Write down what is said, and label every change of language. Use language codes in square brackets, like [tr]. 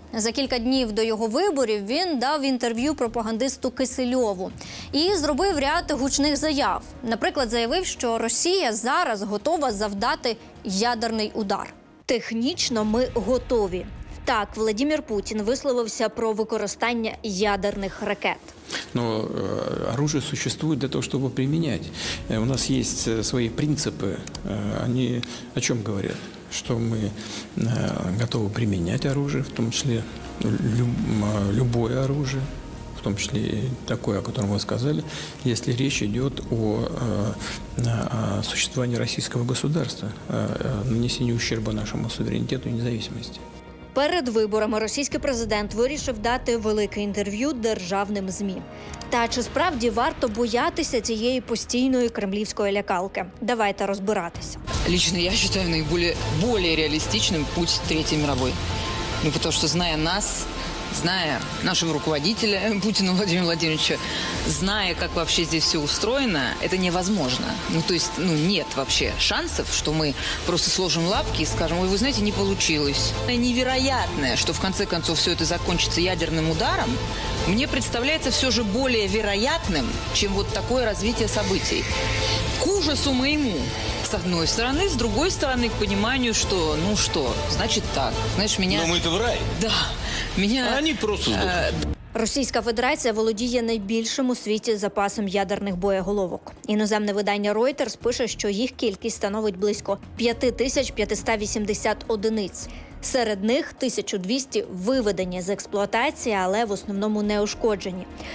[uk] За кілька днів до його виборів він дав інтерв'ю пропагандисту Кисельову і зробив ряд гучних заяв. Наприклад, заявив, що Росія зараз готова завдати ядерний удар. Технічно ми готові. Так, Володимир Путін висловився про використання ядерних ракет. [ru] Но оружие существует для того, чтобы применять. У нас есть свои принципы. Они о чем говорят? Что мы готовы применять оружие, в том числе любое оружие, в том числе и такое, о котором вы сказали, если речь идет о существовании российского государства, о нанесении ущерба нашему суверенитету и независимости. [uk] Перед виборами російський президент вирішив дати велике інтерв'ю державним ЗМІ. Та чи справді варто боятися цієї постійної кремлівської лякалки? Давайте розбиратися. Лично я вважаю найбільш реалістичним путь Третьої світової. Ну, тому що, знає нас, [ru] зная нашего руководителя Путина Владимира Владимировича, зная, как вообще здесь все устроено, это невозможно. Ну, то есть, ну, нет вообще шансов, что мы просто сложим лапки и скажем, ой, вы знаете, не получилось. Это невероятное, что в конце концов все это закончится ядерным ударом, мне представляется все же более вероятным, чем вот такое развитие событий. К ужасу моему, с одной стороны, с другой стороны, к пониманию, что, ну что, значит так. Знаешь, меня... Но мы-то в рай. Да. Меня... А они просто сдохнут. [uk] Російська Федерація володіє найбільшим у світі запасом ядерних боєголовок. Іноземне видання Reuters пише, що їх кількість становить близько 5580 одиниць. Серед них 1200 виведені з експлуатації, але в основному не ушкоджені.